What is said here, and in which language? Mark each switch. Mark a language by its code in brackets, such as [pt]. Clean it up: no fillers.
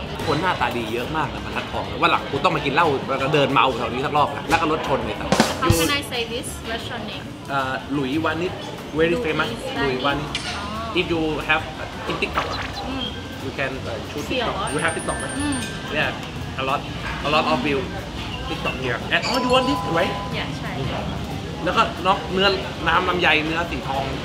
[th] คนหน้าตาดีเยอะมากนะมาทัดทองว่าหลังกูต้องมากินเหล้าแล้วก็เดินเมาแถวนี้สักรอบแล้วก็รถชนเลยครับ [en] How can I say this restaurant name หลุยวานิส very famous หลุยวานิส if you have in TikTok you can shoot TikTok you have TikTok right yeah a lot of view TikTok here and all you want this right yeah [th] ใช่ แล้วก็น็อกเนื้อน้ำลำไยเนื้อสีทอง